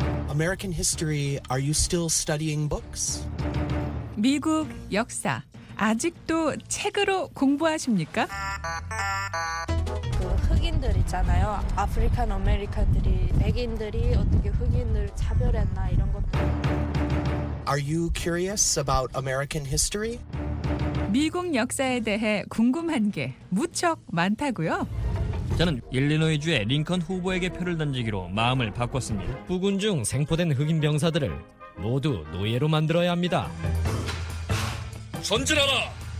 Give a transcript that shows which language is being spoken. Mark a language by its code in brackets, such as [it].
[en] American history, are you still studying books? [ko] 미국 역사, 아직도 책으로 공부하십니까? 그 흑인들 있잖아요. 아프리칸 아메리칸들이 백인들이 어떻게 흑인들 차별했나 이런 것도. [en] Are you curious about American history? [ko] 미국 역사에 대해 궁금한 게 무척 많다고요. 저는 일리노이주의 링컨 후보에게 표를 던지기로 마음을 바꿨습니다. 부군 중 생포된 흑인 병사들을 모두 노예로 만들어야 합니다. 전진하라!